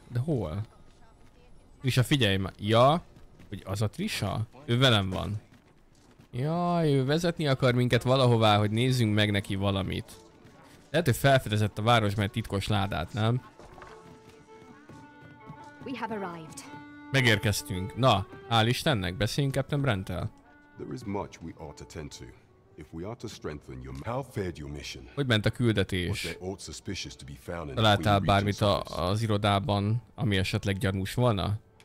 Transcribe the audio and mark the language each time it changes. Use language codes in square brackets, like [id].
[hu] De hol? Trisha, figyelj már. Ja, hogy az a Trisha? Ő velem van. Jaj, ő vezetni akar minket valahová, hogy nézzünk meg neki valamit. Lehet, hogy felfedezett a városban egy titkos ládát, nem? [en] We have arrived. [hu] Megérkeztünk. Na, hál' Istennek, beszéljünk Captain Brenttel. [en] There is much we ought to tend to. If we are to strengthen your how fared your mission? [hu] Hogy ment a küldetés? Találtál bármit az irodában, ami esetleg gyanús volna?